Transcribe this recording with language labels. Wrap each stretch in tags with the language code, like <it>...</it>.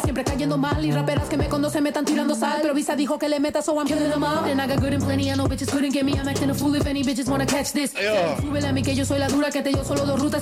<es>Siempre cayendo mal y raperas que me conocen me están tirando sal. Pero Visa dijo que le meta,</es> <en>so I'm killing them all. And I got good and plenty, and no bitches couldn't get me. I'm acting a fool if any bitches wanna catch this.</en> <es>Súbele a mí que yo soy la dura, que te yo solo dos rutas.</es>